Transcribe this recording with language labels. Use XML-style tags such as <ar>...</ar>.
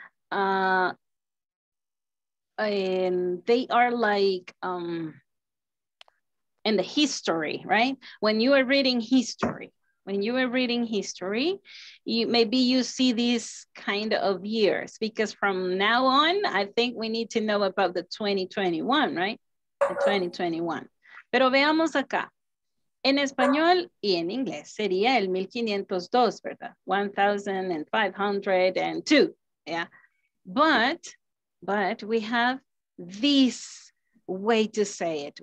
<en>And they are like in the history, right? When you are reading history, you maybe you see these kind of years, because from now on, I think we need to know about the 2021, right?</en> <es>The 2021. Pero veamos acá. En español y en inglés sería el 1502, ¿verdad?</es> <en>1502, yeah? But we have this way to say it.</en>